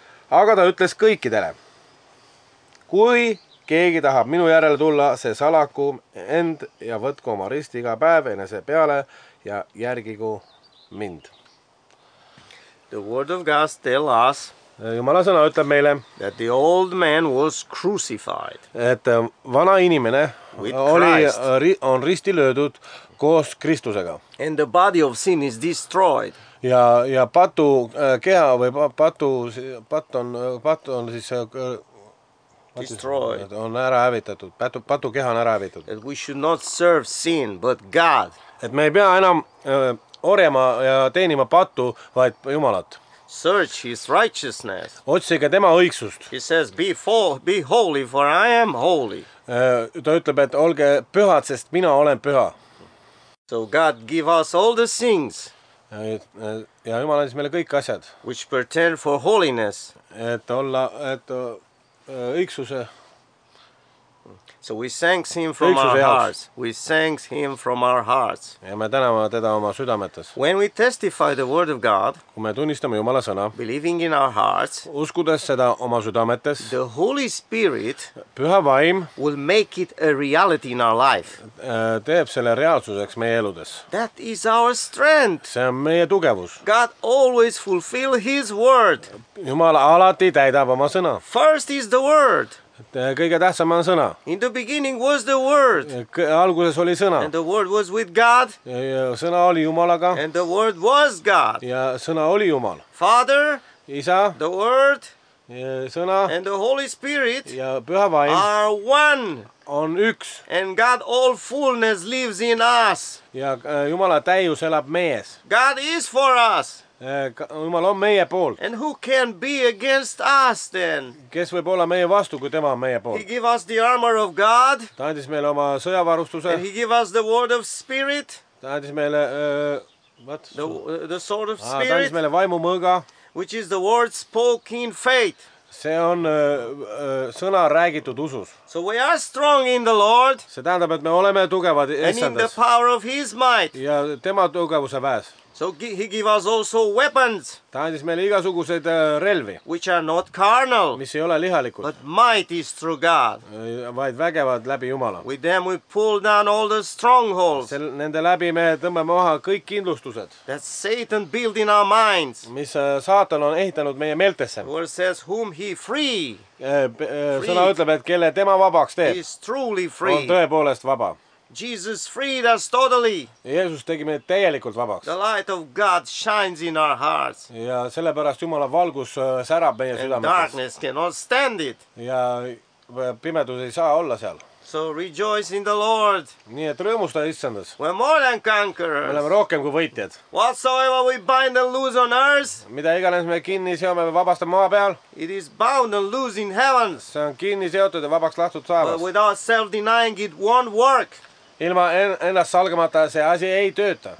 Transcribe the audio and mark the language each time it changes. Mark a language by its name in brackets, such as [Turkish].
[Estonian] Aga ta ütles kõikidele. Kui keegi tahab minu järele tulla, see salaku end ja võtku oma rist iga päev enese peale ja järgigu mind. [English] The word of God tell us, [Estonian] Jumala sõna ütleb meile, [English] that the old man was crucified. [Estonian] Et vana inimene oli, on risti löödud koos Kristusega. [English] And the body of sin is destroyed. [Estonian] Ja patu keha või patu pat on siis [English] destroyed. [Estonian] On ära hävitatud. Patu keha on ära hävitatud. [English] That we should not serve sin but God. [Estonian] Et me ei pea enam orjama ja teenima patu, vaid Jumalat. [English] Search his righteousness. [Estonian] Otsige tema õigsust. [English] He says, be holy, for I am holy. [Estonian] Ta ütleb, et olge pühad, sest mina olen püha. [English] So God give us all the things. [Estonian] Ja Jumal andis meile kõik asjad. [English] Which pertain for holiness. [Estonian] Et olla, et õigsuse. [English] So we thank him from our hearts. We thank him from our hearts. [Estonian] Ja me täname teda oma südametes. [English] When we testify the word of God, [Estonian] kui me tunnistame Jumala sõna, [English] believing in our hearts, [Estonian] uskudes seda oma südametes, [English] the Holy Spirit, [Estonian] püha vaim, [English] will make it a reality in our life. [Estonian] Teeb selle reaalsuseks meie eludes. [English] That is our strength. [Estonian] See on meie tugevus. [English] God always fulfill his word. [Estonian] Jumala alati täidab oma sõna. [English] First is the word. [Estonian] Kõige tähtsam on sõna. [English] In the beginning was the word. [Estonian] Alguses oli sõna. [English] And the word was with God. [Estonian] Ja sõna oli Jumalaga. [English] And the word was God. [Estonian] Ja sõna oli Jumal. [English] Father. [Estonian] Isa. [English] The word. [Estonian] Ja sõna. [English] And the Holy Spirit. [Estonian] Ja püha vaim. [English] Are one. [Estonian] On üks. [English] And God all fullness lives in us. [Estonian] Ja Jumala täius elab mees. [English] God is for us. [Estonian] Jumal on meie pool. [English] And who can be against us then? [Estonian] Kes võib olla meie vastu, kui tema on meie pool? [English] He give us the armor of God. [Estonian] Ta andis meile oma sõjavarustuse. [English] And he give us the word of spirit. [Estonian] Ta andis meile [English] the sword of spirit. [Estonian] Ta andis meile vaimu mõõga. [English] Which is the word spoken in faith. [Estonian] See on sõna räägitud usus. [English] So we are strong in the Lord. [Estonian] See tähendab, et me oleme tugevad issandas. [English] And in the power of his might. [Estonian] Ja tema tugevuse väes. [English] So he give us also weapons. [Estonian] Ta andis meile igasugused relvi. [English] Which are not carnal. [Estonian] Mis ei ole lihalikud. [English] But might is through God. [Estonian] Vaid vägevad läbi Jumala. [English] With them we pull down all the strongholds. [Estonian] Nende läbi me tõmbame maha kõik kindlustused. [English] That Satan built in our minds. [Estonian] Mis saatan on ehitanud meie meeltesse. [English] The word says whom he free. [Estonian] Sõna ütleb, et kelle tema vabaks teeb. [English] He is truly free. [Estonian] On tõepoolest vaba. [English] Jesus freed us totally. [Estonian] Jeesus tegi meid täielikult vabaks. [English] The light of God shines in our hearts. [Estonian] Ja sellepärast Jumala valgus särab meie südametes. [English] And darkness cannot stand it. [Estonian] Ja pimedus ei saa olla seal. [English] So rejoice in the Lord. [Estonian] Nii et rõõmusta issandas. [English] We're more than conquerors. [Estonian] Me oleme rohkem kui võitjad. [English] Whatsoever we bind and loose on earth. [Estonian] Mida iganes me kinni seome me vabastame maa peal. [English] It is bound and loose in heavens. [Estonian] See on kinni seotud ja vabaks lahtud taevas. [English] But without self-denying it won't work. [Estonian] Ilma ennast salgamata see asi ei tööta.